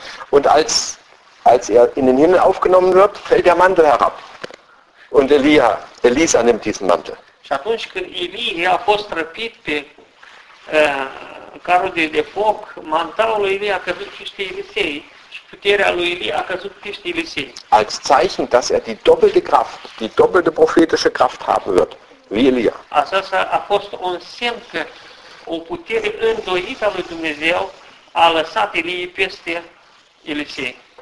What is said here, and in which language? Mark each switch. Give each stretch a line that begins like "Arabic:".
German: Und als er in den Himmel aufgenommen wird, fällt der Mantel herab. Und Elisa nimmt diesen Mantel.
Romanian: Și atunci când Elie a fost răpit pe carul de foc, mantaul lui Elie a căzut peste Elisei și puterea lui Elie a căzut peste Elisei.
German: Als Zeichen, dass er die doppelte Kraft, die doppelte prophetische Kraft haben wird. Wie Elia.
Romanian: Aceasta a fost un semn că o putere îndoită a lui Dumnezeu a lăsat Elie peste Elisei.